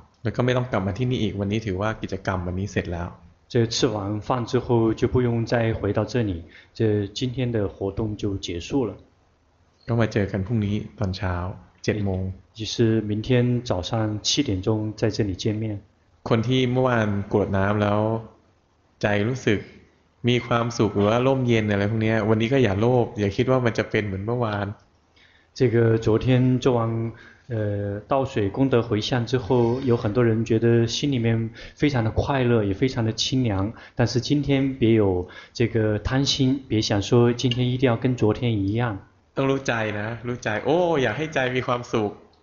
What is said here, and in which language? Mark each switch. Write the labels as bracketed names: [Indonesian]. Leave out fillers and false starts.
[Thai] แล้วก็ไม่ต้องกลับมาที่นี่อีกวันนี้ถือว่ากิจกรรมวันนี้เสร็จแล้ว [Chinese] 这吃完饭之后就不用再回到这里这今天的活动就结束了 [Thai] ก็มาเจอกันพรุ่งนี้ตอนเช้า7โมง [Chinese] ยิ่งมินเทียนจ早上七点钟在这里见面 [Thai] คนที่เมื่อวานกรวดน้ำแล้วใจรู้สึกมีความสุขหรือว่าร่มเย็นอะไรพวกนี้วันนี้ก็อย่าโลภอย่าคิดว่ามันจะเป็นเหมือนเมื่อวาน [Chinese] 这个昨天做完倒水功德回向之后有很多人觉得心里面非常的快乐也非常的清凉但是今天别有这个贪心别想说今天一定要跟昨天一样 [Thai] ต้องรู้ใจนะรู้ใจโอ้อยากให้ใจมีความสุข